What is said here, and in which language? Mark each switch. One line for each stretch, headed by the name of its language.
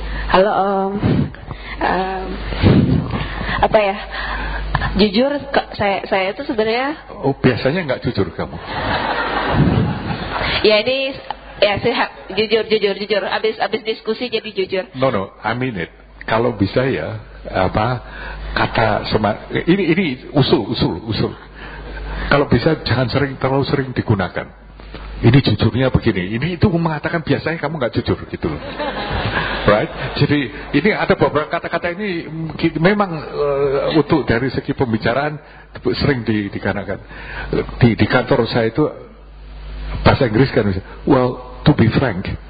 Indonesian: Halo om. Apa ya? Jujur saya itu sebenarnya. Oh, biasanya enggak jujur kamu. Ya ini ya saya jujur. Habis diskusi jadi jujur.
English: No, I mean it.
Indonesian: Kalau bisa ya, apa kata semar ini usul kalau bisa jangan sering terlalu sering digunakan. Ini jujurnya begini, ini itu mengatakan biasanya kamu nggak jujur gitu, right? Jadi ini ada beberapa kata-kata ini memang untuk dari segi pembicaraan sering dikatakan di kantor saya itu bahasa Inggris kan,
English: well to be frank.